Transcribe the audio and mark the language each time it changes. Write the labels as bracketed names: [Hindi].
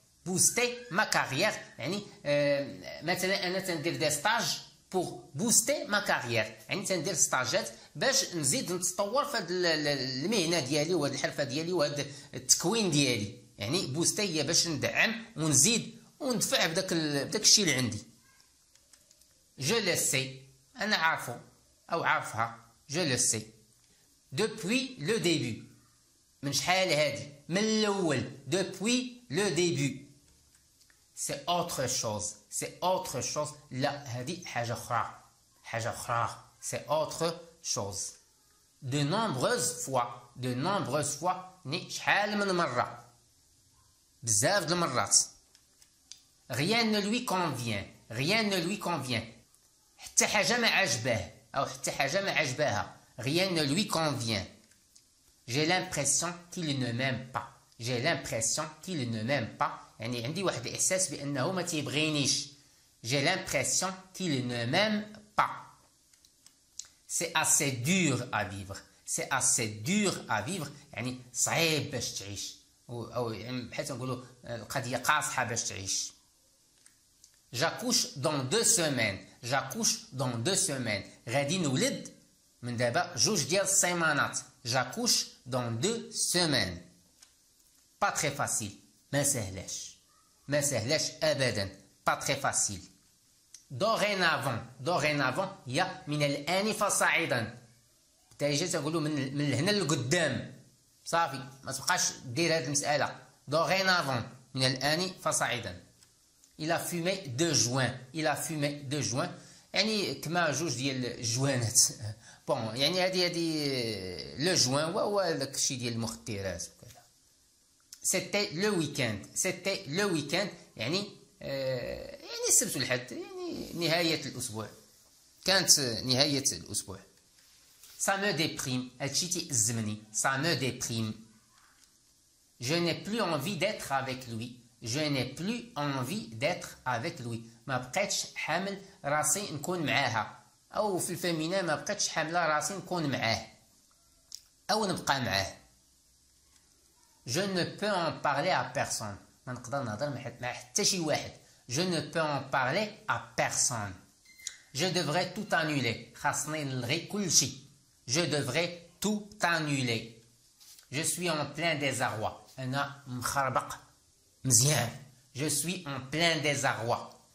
[French] Booster ma carrière, [Arabic] yani mathala ana tandir [French] des stages pour booster ma carrière. [Arabic] Yani tandir stages باش نزيد نتطور في هاد المهنه ديالي وهاد الحرفه ديالي وهاد التكوين ديالي. يعني booster هي باش ندعم ونزيد وندفع بداك الشيء اللي عندي. [French] Je le sais. [Arabic] أنا عارفه أو عارفها. [French] Je le sais. Depuis le début. [Arabic] من شحال هادي. من الأول. [French] Depuis le début. C'est autre chose. C'est autre chose. [Arabic] لا هادي حاجة أخرى. حاجة أخرى. [French] C'est autre chose. De nombreuses fois. De nombreuses fois. [Arabic] ني شحال من مرة. بزاف د المرات. [French] Rien ne lui convient. Rien ne lui convient. [Arabic] حتى حاجه ما عجبه او حتى حاجه ما عجبها [French] rien ne lui convient j'ai l'impression qu'il ne m'aime pas j'ai l'impression qu'il ne m'aime pas [Arabic] يعني عندي واحد الاحساس بانه ما تيبغينيش. [French] J'ai l'impression qu'il ne m'aime pas. C'est assez dur à vivre. C'est assez dur à vivre. [Arabic] يعني صعيب باش تعيش. أو يعني بحيث نقولوا القضية قاصحة باش تعيش. [French] J'accouche dans deux semaines. J'accouche dans deux semaines. [Arabic] غادي نولد من دابا جوج ديال السيمانات. [French] J'accouche dans deux semaines. Pas très facile. [Arabic] ما سهلاش. ما سهلاش أبدا. [French] Pas très facile. Dorénavant, dorénavant, il y a [Arabic] من الآن فصاعدا. تيجي تقولوا من هنا لقدام. صافي ما تبقاش دير هذه المسألة. Dorénavant, من الآن فصاعدا. [French] Il a fumé deux joints. Il a fumé deux joints. [Arabic] يعني كما جوج ديال الجوانات. بون يعني هذه لو جوان هو داك الشيء ديال المخدرات وكذا. [French] C'était le week-end. C'était le week-end. [Arabic] يعني يعني السبت والحد يعني نهاية الأسبوع كانت نهاية الأسبوع. [French] Ça me déprime. [Arabic] هادشي تيأزمني. [French] Ça me déprime. Je n'ai plus envie d'être avec lui. Je n'ai plus envie d'être avec lui. [Arabic] ما بقيتش حامل راسي نكون معاها. أو في الفيمينا ما بقيتش حاملة راسي نكون معاه. أو نبقى معاه. [French] Je ne peux en parler à personne. [Arabic] ما نقدر نهضر مع حتى شي واحد. [French] Je ne peux en parler à personne. Je devrais tout annuler. [Arabic] خاصني نلغي كل شيء. [French] Je devrais tout annuler. Je suis en plein désarroi. [Arabic] أنا مخربق مزيان. [French] Je suis en plein désarroi.